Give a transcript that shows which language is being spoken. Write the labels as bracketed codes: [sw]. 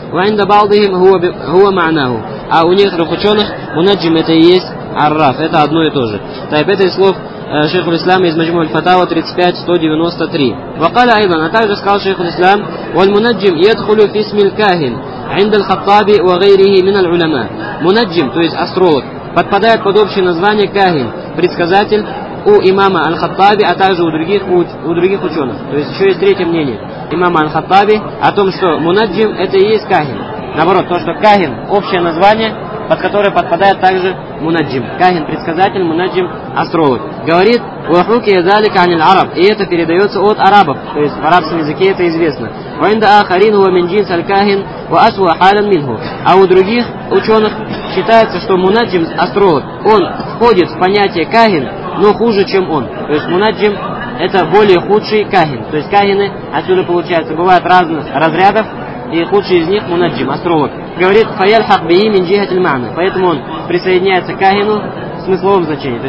[ar] Ваинда балдихим хуа ма'наху. [ru] А у некоторых ученых мунаджим это и есть арраф, это одно и то же. Так, это из слов шейху ислама из Маджму аль-Фатава 35-193. [ar] Вакала айдан, [ru] а также сказал шейху ислам, [ar] валь мунаджим ядхулю фисми аль-кахин. عند الخطابي وغيره من العلماء. [ru] Мунаджим, то есть астролог, подпадает под общее название кахин, предсказатель у имама аль-Хаттаби, а также у других ученых. То есть еще есть третье мнение имама аль-Хаттаби о том, что мунаджим это и есть кахин. Наоборот, то, что кахин общее название, под которое подпадает также мунаджим. Кахин предсказатель, мунаджим астролог. Говорит, [ar] وحكي ذلك عن العرب, [ru] и это передается от арабов, то есть в арабском языке это известно. [ar] وعند آخرين هو من جنس الكاهن وأسوأ حالا منه. [ru] А у других ученых считается, что мунаджим астролог, он входит в понятие кахин, но хуже, чем он. То есть мунаджим это более худший кахин. То есть кахины отсюда получается бывают разных разрядов, и худший из них мунаджим астролог. Говорит [ar] Файяль Хахбии Минджихатиль Мана. [ru] Поэтому он присоединяется к кахину в смысловом значении.